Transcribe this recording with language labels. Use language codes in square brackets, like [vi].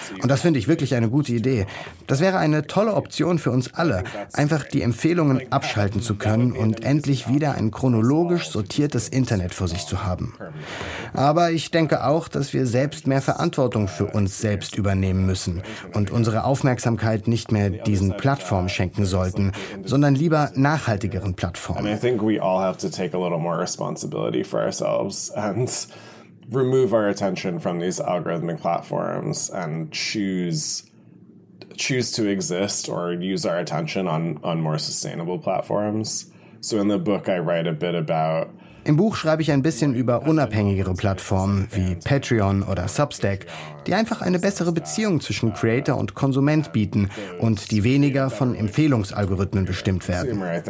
[de] Und das finde ich wirklich eine gute Idee. Das wäre eine tolle Option für uns alle, einfach die Empfehlungen abschalten zu können und endlich wieder ein chronologisch sortiertes Internet vor sich zu haben. Aber ich denke auch, dass wir selbst mehr Verantwortung für uns selbst übernehmen müssen und unsere Aufmerksamkeit nicht mehr diesen Plattformen schenken sollten, sondern lieber nachhaltigeren Plattformen. [en] I think we all have to take a little more responsibility for ourselves and remove our attention from these algorithmic platforms and choose to exist or use our attention on more sustainable platforms. So in the book I write a bit about. [de] Im Buch schreibe ich ein bisschen über unabhängigere Plattformen wie Patreon oder Substack, die einfach eine bessere Beziehung zwischen Creator und Konsument bieten und die weniger von Empfehlungsalgorithmen bestimmt werden.